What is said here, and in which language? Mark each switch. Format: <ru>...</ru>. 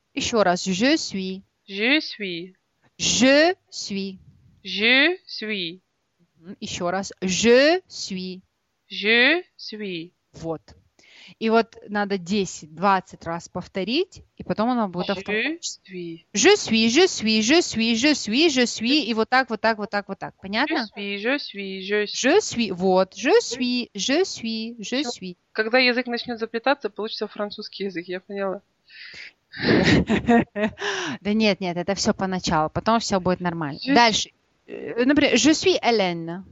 <ru>Еще раз.</ru> <fr>Je suis. Je suis. Je suis. Je suis.</fr> <ru>Еще раз.</ru> <fr>Je suis. Je suis.</fr> <ru>Вот. И вот надо 10-20 раз повторить, и потом оно будет автоматически.</ru> <fr>Je suis, je suis, je suis, je suis, je suis.</fr> <ru>И вот так, вот так, вот так, вот так. Понятно?</ru> <fr>Je suis, je suis, je suis. Je suis,</fr> <ru>вот.</ru> <fr>Je suis, je suis, je suis.</fr> <ru>Когда язык начнет заплетаться, получится французский язык, я поняла. Да нет, нет, это все поначалу. Потом все будет нормально. Дальше. Например,</ru> <fr>je suis Hélène.</fr>